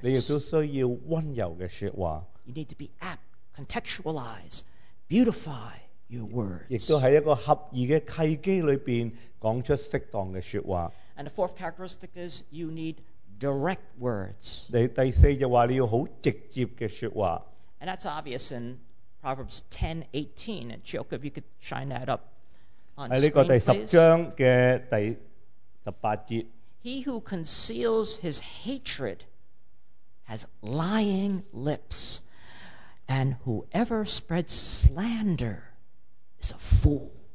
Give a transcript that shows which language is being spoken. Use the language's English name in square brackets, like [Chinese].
[Cantonese] 你亦都需要温柔嘅説話。 [English] You need to be apt, contextualize, beautify your words. [Cantonese] 亦都喺一個合宜嘅契機裏邊講出適當嘅説話。 [English] And the fourth characteristic is you need direct words. [Cantonese] 第四就話你要好直接嘅説話。 [English] And that's obvious in Proverbs 10:18. And Chioka, if you could shine that up on screen, please. He who conceals his hatred has lying lips, and whoever spreads slander is a fool.